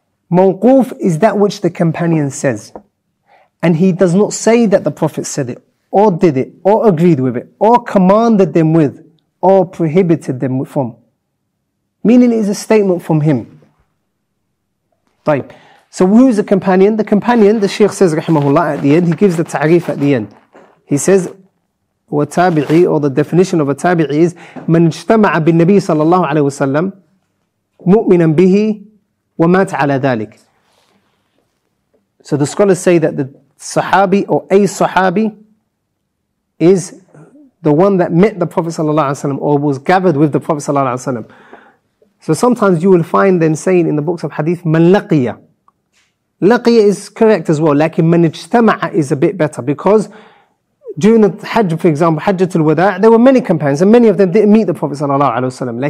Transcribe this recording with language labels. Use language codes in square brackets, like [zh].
[en] Mawquf is that which the companion says. And he does not say that the Prophet said it, or did it, or agreed with it, or commanded them with, or prohibited them from. Meaning it is a statement from him. [ar] طيب. [en] So who is the companion? The companion, the Shaykh says, rahimahullah, at the end, he gives the ta'rif at the end. He says, [ar] وَتَابِعِي, [en] or the definition of a tabi'i is, [ar] مَنْ اجْتَمَعَ بِالنَّبِيِّ صَلَى اللَّهُ عَلَيْهُ وَسَلَّمْ مُؤْمِنًا بِهِ وَمَاتْ عَلَى ذَلِكَ. [en] So the scholars say that the Sahabi or a Sahabi is the one that met the Prophet sallallahu alaihi wasallam or was gathered with the Prophet sallallahu alaihi wasallam. So sometimes you will find them saying in the books of hadith man laqiya. Laqiya is correct as well, like man ijtama'a is a bit better, because during the Hajj, for example, Hajjatul Wada', there were many companions and many of them didn't meet the Prophet sallallahu alaihi wasallam.